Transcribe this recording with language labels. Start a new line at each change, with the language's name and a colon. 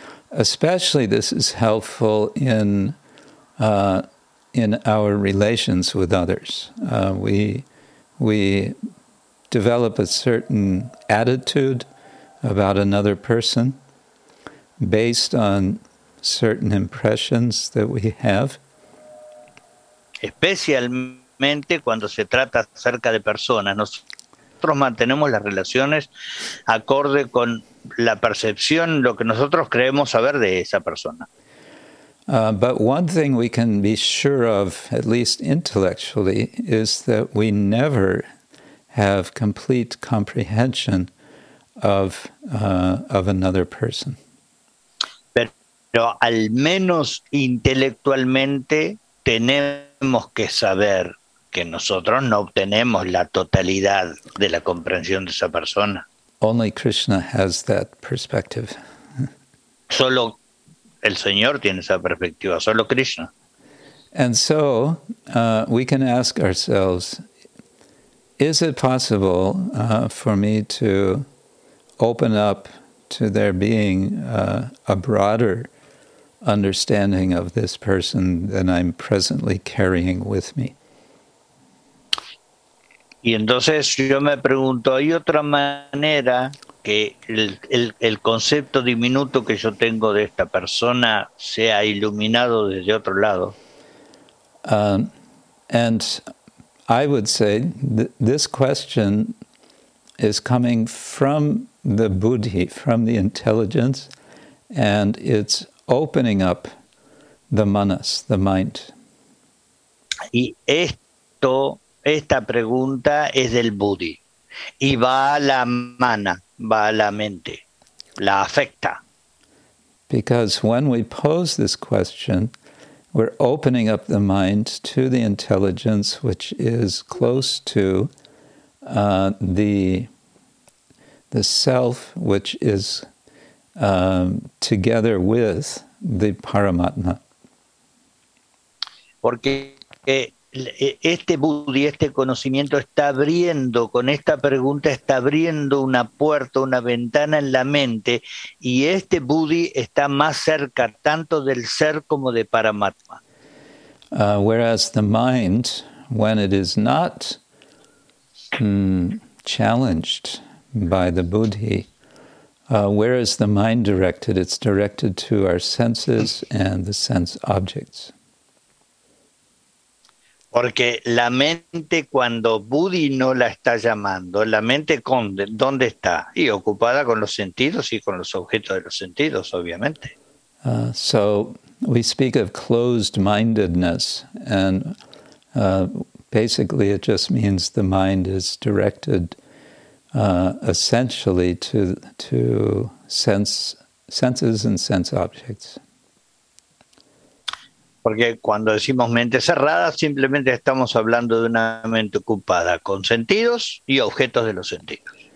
English: Especially this is helpful in our relations with others. We develop a certain attitude about another person based on certain impressions that we have.
Spanish: Especialmente cuando se trata acerca de personas, nosotros mantenemos las relaciones acorde con la percepción, lo que nosotros creemos saber de esa persona.
English: But one thing we can be sure of, at least intellectually, is that we never have complete comprehension of another person.
Spanish: Pero al menos intelectualmente tenemos que saber que nosotros no obtenemos la totalidad de la comprensión de esa persona.
English: Only Krishna has that perspective.
Spanish: Solo el Señor tiene esa perspectiva, solo Krishna.
English: And so we can ask ourselves, is it possible for me to open up to there being a broader understanding of this person than I'm presently carrying with me?
Spanish: Y entonces yo me pregunto, ¿hay otra manera que el concepto diminuto que yo tengo de esta persona sea iluminado desde otro lado?
English: And I would say this question is coming from the buddhi, from the intelligence, and it's opening up the manas, the mind.
Spanish: Y esto, esta pregunta es del buddhi, y va a la mana, va a la mente, la afecta.
English: Because when we pose this question, we're opening up the mind to the intelligence, which is close to the self, which is together with the Paramatma.
Spanish: Porque este buddhi, este conocimiento está abriendo, con esta pregunta está abriendo una puerta, una ventana en la mente, y este buddhi está más cerca tanto del ser como de Paramatma.
English: Whereas the mind, when it is not challenged by the buddhi, where is the mind directed? It's directed to our senses and the sense objects.
Spanish: Porque la mente, cuando Buddhi no la está llamando, la mente ¿dónde está? Y ocupada con los sentidos y con los objetos de los sentidos, obviamente.
English: So, we speak of closed-mindedness, and basically it just means the mind is directed essentially to senses and sense objects.
Spanish: Porque cuando decimos mente cerrada, simplemente estamos hablando de una mente ocupada con sentidos y objetos de los sentidos.